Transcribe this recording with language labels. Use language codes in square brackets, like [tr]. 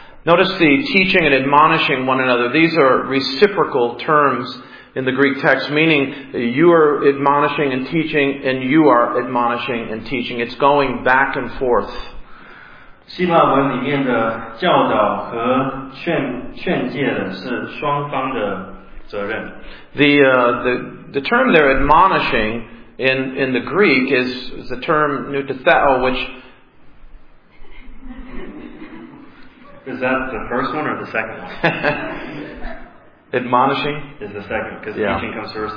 [en] Notice the teaching and admonishing one another. These are reciprocal terms in the Greek text, meaning you are admonishing and teaching and you are admonishing and teaching. It's going back and forth. [zh] 希腊文里面的教导和劝诫的是双方的责任。 [en] The term there, admonishing, in the Greek is the term neutetheo, which is that the first one or the second one? Admonishing is the second, because teaching comes first.